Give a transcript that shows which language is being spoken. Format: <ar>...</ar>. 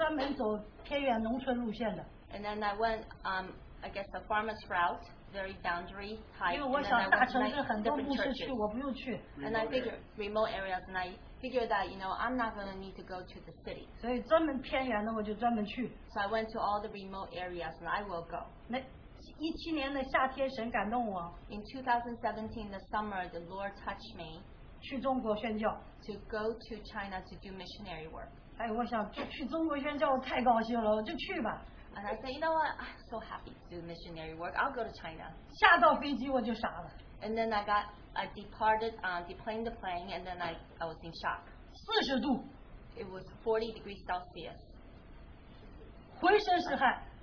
<zh>所以去不同的教会去，而且我是专门走偏远农村路线的。</zh> <en>And then I went I guess the farmer's route, very boundary type.</en> <zh>因为我想大城市很多牧师去，我不用去。</zh> <en>And I figured remote areas and I figure that, you know, I'm not going to need to go to the city.</en> <zh>所以专门偏远的我就专门去。</zh> <en>So I went to all the remote areas and I will go.</en> <zh>那17年的夏天神感动我。</zh> <en>In 2017, the summer, the Lord touched me.</en> <zh>去中国宣教。</zh> <en>To go to China to do missionary work.</en> <zh>哎，我想去中国宣教，太高兴了，我就去吧。</zh> <en>And I said, you know what, I'm so happy to do missionary work, I'll go to China.</en> <zh>下到飞机我就傻了。</zh> <en>And then I departed the plane, and then I was in shock.</en> <zh>40度.</zh> <en>It was 40 degrees Celsius.</en> <zh>浑身是汗.</zh>